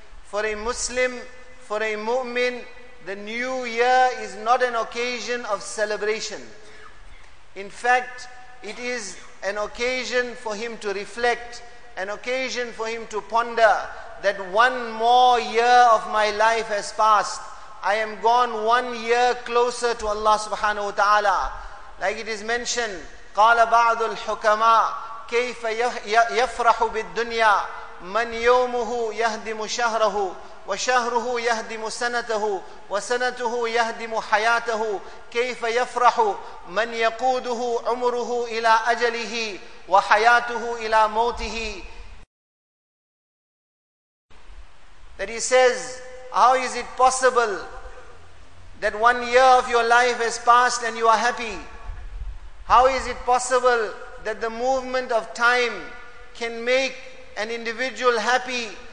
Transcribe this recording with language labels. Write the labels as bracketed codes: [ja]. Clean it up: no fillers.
[en] For a Muslim, for a mu'min, the new year is not an occasion of celebration. In fact, it is an occasion for him to reflect, an occasion for him to ponder that one more year of my life has passed. I am gone 1 year closer to Allah subhanahu wa ta'ala. Like it is mentioned, [ar] قَالَ بَعْضُ الْحُكَمَا كَيْفَ يَفْرَحُ بِالدُّنْيَا مَنْ يَوْمُهُ يَهْدِمُ شَهْرَهُ وَشَهْرُهُ يَهْدِمُ سَنَتَهُ وَسَنَتُهُ يَهْدِمُ حَيَاتَهُ كَيْفَ يَفْرَحُ مَنْ يَقُودُهُ عُمُرُهُ إِلَىٰ أَجَلِهِ وَحَيَاتُهُ إِلَىٰ مَوْتِهِ. [en] That he says, how is it possible that 1 year of your life has passed and you are happy? How is it possible that the movement of time can make an individual happy